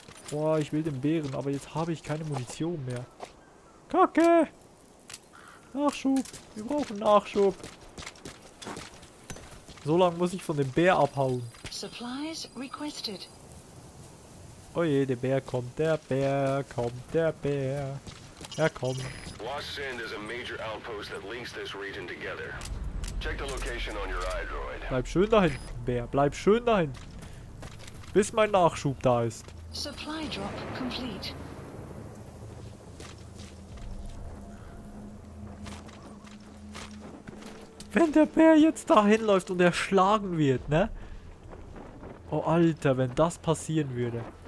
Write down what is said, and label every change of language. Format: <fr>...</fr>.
<de>Boah, ich will den Bären, aber jetzt habe ich keine Munition mehr. Kacke! Nachschub! Wir brauchen Nachschub! So lange muss ich von dem Bär abhauen.</de> <en>Supplies requested.</en> <de>Oh je, der Bär kommt, der Bär kommt, der Bär. Er kommt.</de> <en>Wash Sand is a major outpost that links this region together. Check the location on your iDroid.</en> <de>Bleib schön dahin, Bär, bleib schön dahin. Bis mein Nachschub da ist.</de> <en>Supply drop complete.</en> <de>Wenn der Bär jetzt dahin läuft und erschlagen wird, ne? Oh Alter, wenn das passieren würde.</de>